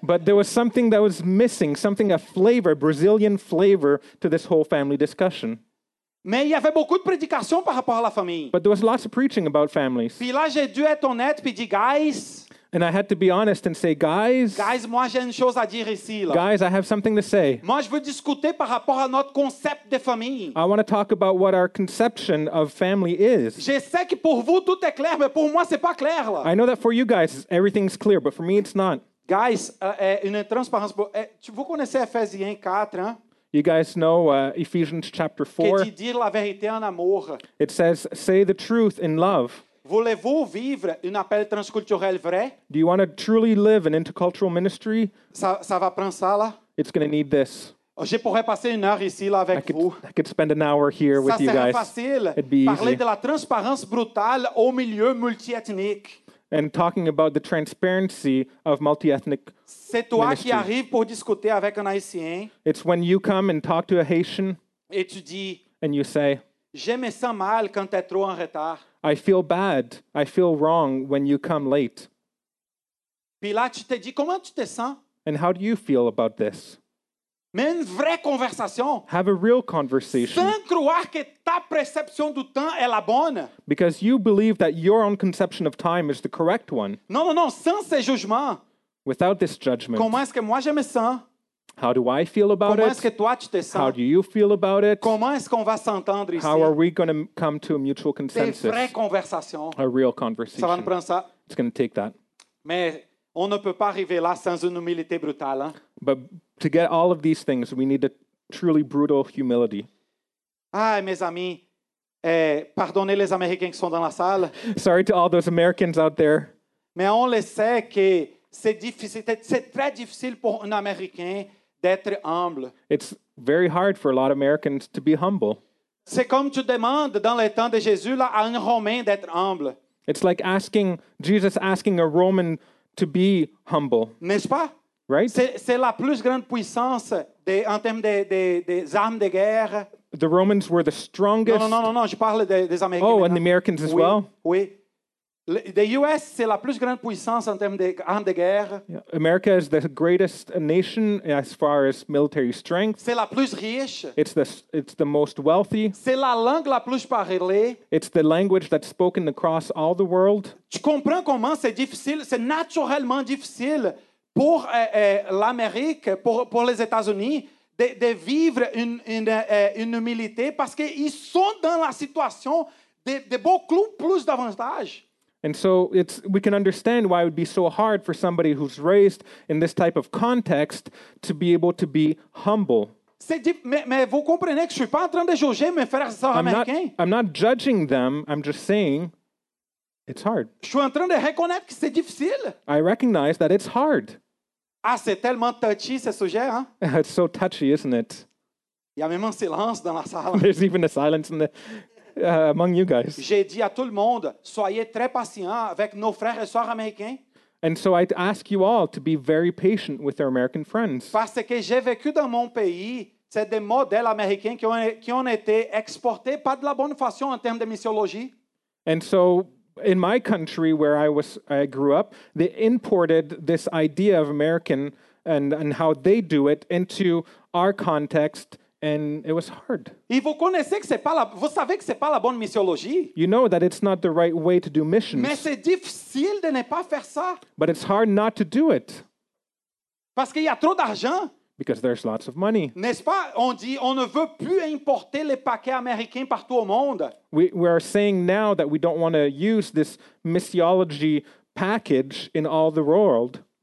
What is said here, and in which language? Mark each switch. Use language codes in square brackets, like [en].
[en] But there was something that was missing, something a flavor, Brazilian flavor, to this whole family discussion. [fr] Mais il y avait beaucoup de prédication par rapport à la famille. [en] But there was lots of preaching about families. [fr] Puis là, j'ai dû être honnête puis dire, guys. [en] And I had to be honest and say, guys. [fr] Guys, moi j'ai une chose à dire ici, là. [en] Guys, I have something to say. [fr] Moi, je veux discuter par rapport à notre concept de famille. [en] I want to talk about what our conception of family is. [fr] Je sais que pour vous tout est clair, mais pour moi c'est pas clair, là. [en] I know that for you guys everything's clear, but for me it's not. [fr] Guys, une transparence. Vous connaissez Ephésiens 4, hein? [en] You guys know Ephesians chapter 4. [fr] Que dit la vérité en amour. [en] It says, say the truth in love. [fr] Voulez-vous vivre un appel transculturel vrai? [en] Do you want to truly live an intercultural ministry? [fr] Ça va prendre ça, là. [en] It's going to need this. [fr] Je pourrais passer une heure ici, là, avec [en] I [fr] vous. [en] Could, I could spend an hour here [fr] ça [en] with you guys. [fr] Ça serait facile. [en] It'd be [fr] parler [en] easy. [fr] Parler de la transparence brutale au milieu multiethnique. [en] And talking about the transparency of multiethnic ministry. [fr] C'est toi qui arrive pour discuter avec un Haïtien. [en] It's when you come and talk to a Haitian. [fr] Et tu dis. [en] And you say. [fr] Je me sens mal quand t'es trop en retard. [en] I feel bad. I feel wrong when you come late. [fr] Puis là, tu te dis, comment tu te sens? [en] And how do you feel about this? [fr] Mais une vraie conversation. [en] Have a real conversation. [fr] Sans croire que ta perception du temps est la bonne. [en] Because you believe that your own conception of time is the correct one. [fr] Non, non, non, sans ce jugement. [en] Without this judgment. [fr] Comment est-ce que moi je me sens? [en] How do I feel about [fr] comment est-ce [en] it? [fr] Que toi, tu te sens? [en] How do you feel about it? [fr] Comment est-ce qu'on va s'entendre ici? [en] How are we going to come to a mutual consensus? [fr] Des vraies conversations. [en] A real conversation. [fr] Ça va nous prendre ça. [en] It's going to take that. [fr] Mais on ne peut pas arriver là sans une humilité brutale, hein? [en] But to get all of these things, we need a truly brutal humility. [fr] Ah, mes amis, pardonnez les Américains qui sont dans la salle. [en] Sorry to all those Americans out there. [fr] Mais on le sait que c'est difficile, c'est très difficile pour un Américain d'être humble. [en] It's very hard for a lot of Americans to be humble. [fr] C'est comme tu demandes dans les temps de Jésus là à un Romain d'être humble. [en] It's like asking Jesus asking a Roman to be humble. [fr] N'est-ce pas? [en] Right? [fr] C'est la plus grande puissance en termes des armes de guerre. [en] The Romans were the strongest. [fr] Non, je parle des Américains. [en] Oh, and the Americans as well. Oui. The U.S. [fr] c'est la plus grande puissance en termes d'armes de guerre. [en] Yeah. America is the greatest nation as far as military strength. [fr] C'est la plus riche. [en] It's the most wealthy. [fr] C'est la langue la plus parlée. [en] It's the language that's spoken across all the world. [fr] Tu comprends comment c'est difficile, c'est naturellement difficile pour l'Amérique, pour les États-Unis, de vivre une humilité parce qu'ils sont dans la situation de beaucoup plus d'avantages. [en] And so we can understand why it would be so hard for somebody who's raised in this type of context to be able to be humble. [fr] Mais vous comprenez que je suis pas en train de juger mes frères américains. [en] I'm not judging them. I'm just saying it's hard. [fr] Je suis en train de reconnaître que c'est difficile. [en] I recognize that it's hard. [fr] Ah, c'est tellement touchy ce sujet, hein? [en] It's so touchy, isn't it? [fr] Il y a même un silence dans la salle. [en] There's even a silence in the among you guys. [fr] J'ai dit à tout le monde, soyez très patient avec nos frères et sœurs américains. [en] And so I ask you all to be very patient with our American friends. [fr] Parce que j'ai vécu dans mon pays, c'est des modèles américains qui ont été exportés pas de la bonne façon en termes de missiologie. [en] And so in my country where I grew up, they imported this idea of American and how they do it into our context. And it was hard. [fr] Et vous connaissez que c'est pas la, vous savez que c'est pas la bonne missiologie. [en] You know that it's not the right way to do missions. [fr] Mais c'est difficile de ne pas faire ça. [en] But it's hard not to do it. [fr] Parce qu'il y a trop d'argent. [en] Because there's lots of money. [fr] N'est-ce pas? On dit on ne veut plus importer les paquets américains partout au monde. [en] We are saying now that we don't want to use this missiology package in all the world.